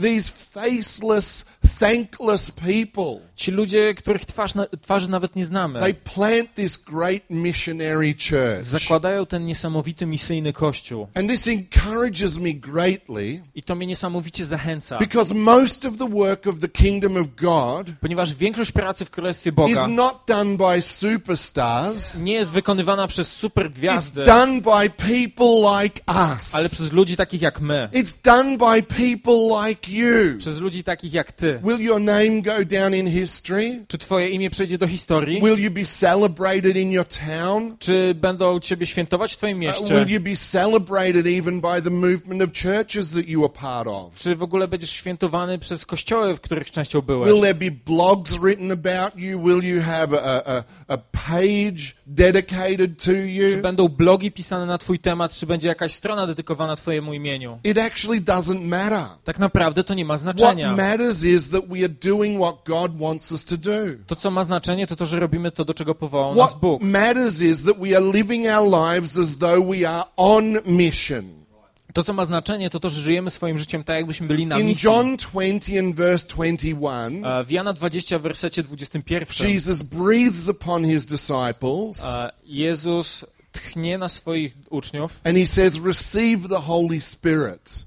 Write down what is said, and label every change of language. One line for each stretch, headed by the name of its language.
English: These faceless, thankless people.
Polish: Ci ludzie, których twarzy nawet nie znamy.
English: They plant this great missionary church.
Polish: Zakładają ten niesamowity misyjny kościół.
English: And this encourages me greatly.
Polish: I to mnie niesamowicie zachęca.
English: Because most of the work of the kingdom of God.
Polish: Ponieważ większość pracy w Królestwie Boga.
English: Is not done by superstars.
Polish: Nie jest wykonywana przez supergwiazdy.
English: It's done by people like us.
Polish: Ale przez ludzi takich jak my.
English: It's done by people like you.
Polish: Przez ludzi takich jak ty.
English: Will your name go down in history?
Polish: Czy twoje imię przejdzie do historii?
English: Will you be celebrated in your town?
Polish: Czy będą ciebie świętować w twoim mieście?
English: Will you be celebrated even by the movement of churches that you are part of?
Polish: Czy w ogóle będziesz świętowany przez kościoły, w których częścią byłeś?
English: Will there be blogs written about you? Will you have a page dedicated to you?
Polish: Czy będą blogi pisane na twój temat? Czy będzie jakaś strona dedykowana twojemu imieniu?
English: It actually doesn't matter.
Polish: Tak naprawdę to nie ma znaczenia.
English: What matters is that we are doing what God wants us to do.
Polish: To co ma znaczenie, to że robimy to, do czego powołał nas Bóg.
English: What matters is that we are living our lives as though we are on mission.
Polish: To co ma znaczenie, to że żyjemy swoim życiem tak, jakbyśmy byli na misji.
English: In John 20 and verse 21.
Polish: W Jana 20 w wersecie 21.
English: Jesus breathes upon his disciples.
Polish: Jezus tchnie na swoich uczniów.
English: And he says, "Receive the Holy Spirit."